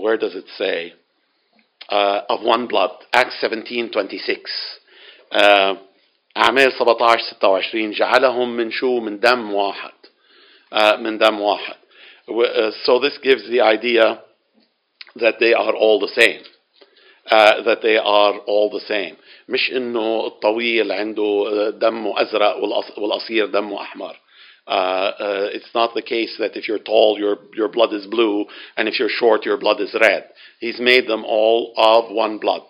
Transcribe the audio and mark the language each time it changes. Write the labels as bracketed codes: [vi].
[en] Where does it say? Of one blood. Acts 17:26. [ar] أعمال 17:26. جعلهم من شو من دم واحد. من دم واحد. [en] So this gives the idea that they are all the same. That they are all the same. [ar] مش إنه الطويل عنده دمه أزرق والقصير دمه أحمر. [en] It's not the case that if you're tall, your blood is blue, and if you're short, your blood is red. He's made them all of one blood.